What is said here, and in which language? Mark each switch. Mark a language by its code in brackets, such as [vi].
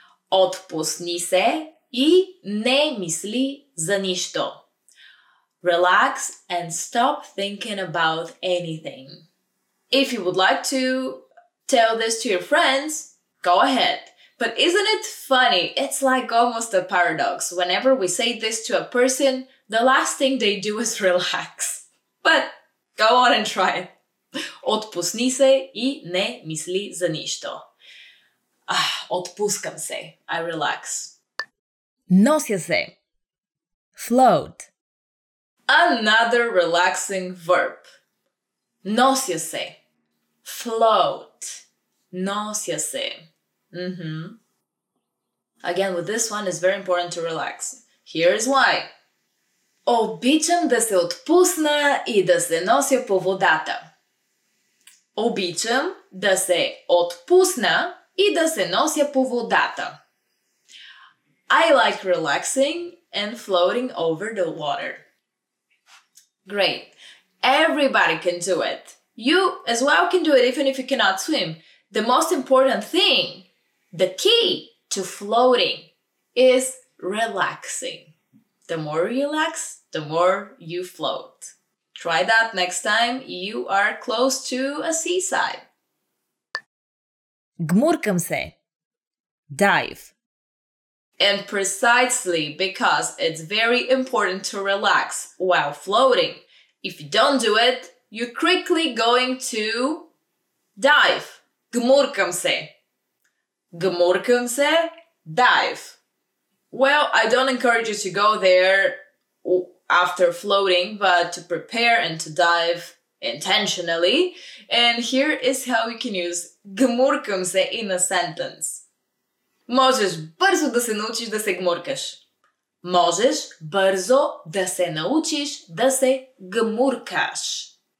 [bg] Отпусни се и не мисли за нищо. [en] Relax and stop thinking about anything. If you would like to tell this to your friends, go ahead. But isn't it funny? It's like almost a paradox. Whenever we say this to a person, the last thing they do is relax. But go on and try it. [bg] Отпусни се и не мисли за нищо. Отпускам се. [en] I relax. [bg] Нося се. [en] Float. Another relaxing verb. Нося се. Float. [bg] Нося се. [en] Mm-hmm. Again, with this one, it's very important to relax. Here's why. [bg] Обичам да се отпусна и да се нося по водата. Обичам да се отпусна и да се нося по водата. [en] I like relaxing and floating over the water. Great. Everybody can do it. You as well can do it even if you cannot swim. The most important thing, the key to floating, is relaxing. The more you relax, the more you float. Try that next time you are close to a seaside. [bg] Гмуркам се. [en] Dive. And precisely because it's very important to relax while floating, if you don't do it, you're quickly going to dive. [bg] Гмуркам се. Гмуркам се. [en] Dive. Well, I don't encourage you to go there after floating, but to prepare and to dive intentionally. And here is how we can use гмуркам се in a sentence. [bg] Можеш бързо да се научиш да се гмуркаш. Можеш бързо да се научиш да се гмуркаш.